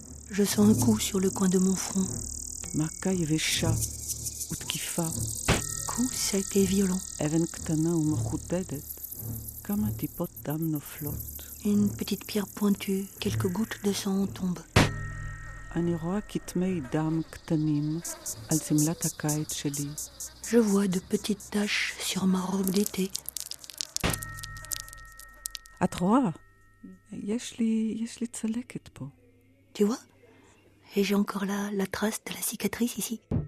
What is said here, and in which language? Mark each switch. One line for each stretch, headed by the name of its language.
French: Je sens un coup sur le coin de mon front. Coup sec et violent. Une petite pierre pointue, quelques gouttes de sang tombent.
Hebrew: אני רואה כתמי דם קטנים על סמלת הקיץ שלי.
French: Je vois de petites taches sur ma robe d'été.
Hebrew: את רואה? Yesh li tzalekit po.
French: Tu vois? Et j'ai encore la trace de la cicatrice ici.